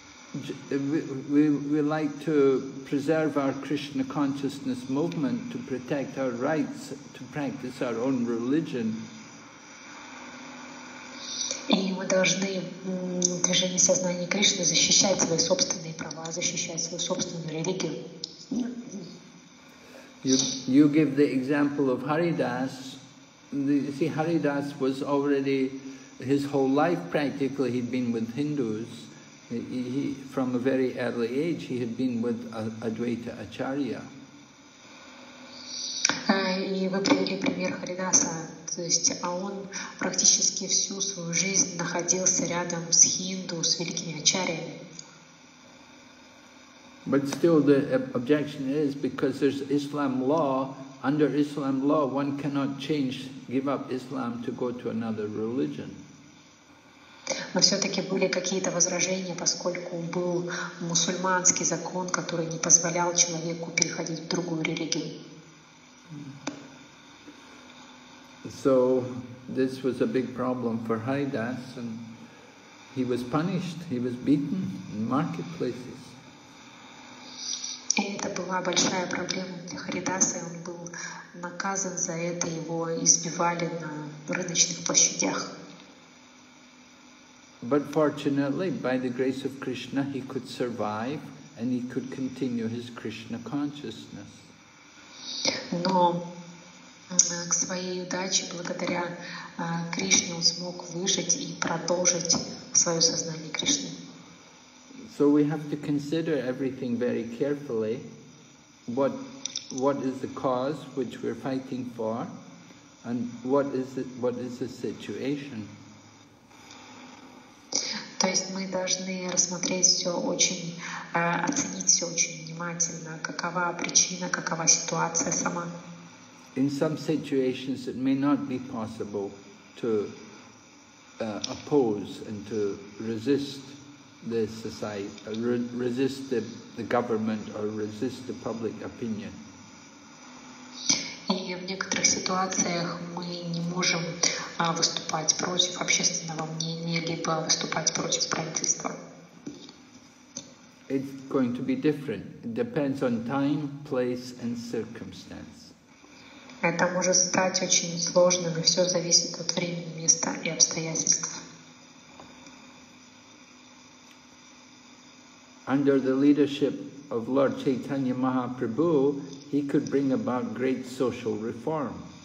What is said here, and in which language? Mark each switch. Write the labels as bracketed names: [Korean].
[English] We like to preserve our Krishna consciousness movement to protect our rights to practice our own religion. [Russian] И мы должны движение сознания Кришны защищать свои собственные права, защищать свою собственную религию. [English] You give the example of Haridas. See, Haridas was already his whole life practically he'd been with Hindus. He, from a very early age, he had been with Advaita Acharya. [Russian] И вы привели пример Харидаса, то есть, а он практически всю свою жизнь находился рядом с хинду, с великими ачарьями. [English] But still, the objection is because there's Islam law. Under Islam law, one cannot change, give up Islam to go to another religion. [Russian] Но все-таки были какие-то возражения, поскольку был мусульманский закон, который не позволял человеку переходить в другую религию. [English] So this was a big problem for Haridas, and he was punished, he was beaten in marketplaces. [Russian] И это была большая проблема для Харидаса, и он был наказан за это, его избивали на рыночных площадях. [English] But fortunately, by the grace of Krishna, he could survive and he could continue his Krishna consciousness. [Russian] Но к своей удаче, благодаря Кришне, он смог выжить и продолжить свое сознание Кришны. [English] So we have to consider everything very carefully. What is the cause which we're fighting for, and what is the situation? [Russian] То есть мы должны рассмотреть все очень, оценить все очень внимательно. Какова причина, какова ситуация сама? [English] In some situations, it may not be possible to oppose and to resist the society, resist the government, or resist the public opinion. [Russian] И в некоторых ситуациях мы не можем выступать против общественного мнения либо выступать против правительства. [English] It's going to be different. It depends on time, place, and circumstance. [Russian] Это может стать очень сложным, и все зависит от времени, места и обстоятельств. [English] Under the leadership of Lord Chaitanya Mahaprabhu, he could bring about great social reform.